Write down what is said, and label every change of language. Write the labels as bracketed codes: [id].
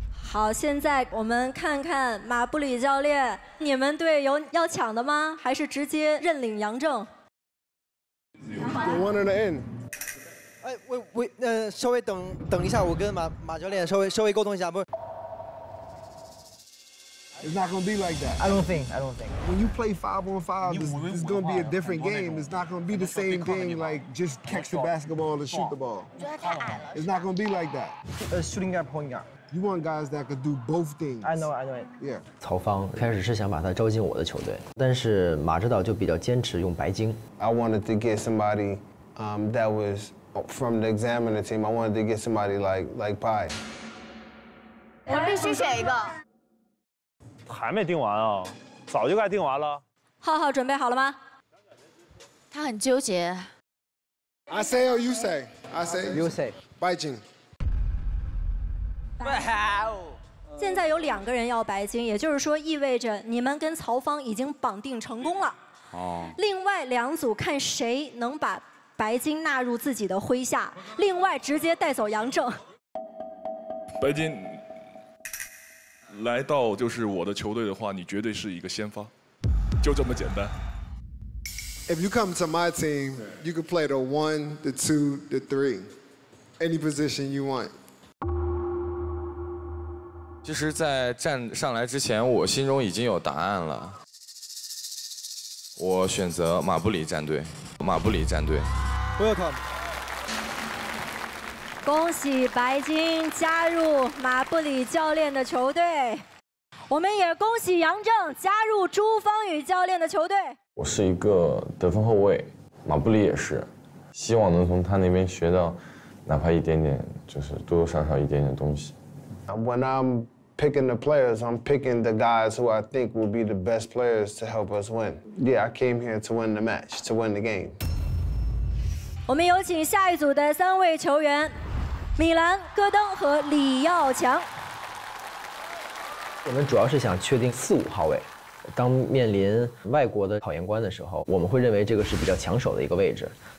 [zh] 好，现在我们看看马布里教练，你们队有要抢的吗？还是直接认领杨正 [en] ？You wanted to end. [zh] 哎，我稍微等一下，我跟马教练稍微沟通一下，不是。 [en] It's not gonna be like that. I don't think. When you play 5-on-5, it's gonna be a different game. It's not gonna be the same game like just catch the basketball and shoot the ball. It's not gonna be like that. A shooting guard, point guard. You want guys that could do both things. I know. Yeah. [zh] 曹芳开始是想把他招进我的球队，但是马指导就比较坚持用白金。 [en] I wanted to get somebody, that was. From the examiner team, I wanted to get somebody like Pai. [zh] 我必须选一个。还没定完啊，早就该定完了。浩浩准备好了吗？他很纠结。 [en] I say or you say? I say. 白金。 Wow. [zh] 现在有两个人要白金，也就是说意味着你们跟曹芳已经绑定成功了。哦。另外两组看谁能把。白金纳入自己的麾下，另外直接带走杨正。白金来到就是我的球队的话，你绝对是一个先发，就这么简单。 [en] If you come to my team, you can play the one, the two, the three, any position you want. [zh] 其实，在站上来之前，我心中已经有答案了。我选择马布里战队。 [en] Welcome. [zh] 恭喜白金加入马布里教练的球队，我们也恭喜杨正加入朱芳雨教练的球队。我是一个得分后卫，马布里也是，希望能从他那边学到哪怕一点点，就是多多少少一点点东西。 [en] When I'm picking the players, I'm picking the guys who I think will be the best players to help us win. Yeah, I came here to win the match, to win the game. [zh] 我们有请下一组的三位球员，米兰、戈登和李耀强。我们主要是想确定四五号位，当面临外国的考验官的时候，我们会认为这个是比较抢手的一个位置。